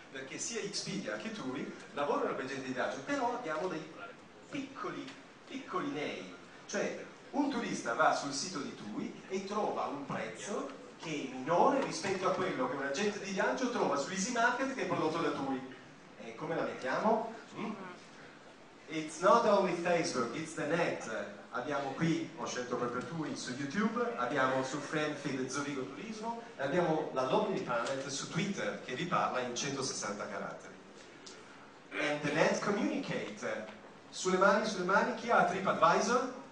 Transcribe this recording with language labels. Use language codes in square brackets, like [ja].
[it] Perché sia Expedia che TUI lavorano con agenti di viaggio, però abbiamo dei piccoli, piccoli nei. Cioè, un turista va sul sito di TUI e trova un prezzo che è minore rispetto a quello che un agente di viaggio trova su Easy Market che è prodotto da TUI. E come la mettiamo? [en] It's not only Facebook, it's the net. [it] Abbiamo qui, ho scelto proprio TUI, su YouTube, abbiamo su Friendfeed Zurigo Turismo e abbiamo la Lonely Planet su Twitter che vi parla in 160 caratteri. [en] And the net communicate. [it] Sulle mani, chi ha TripAdvisor?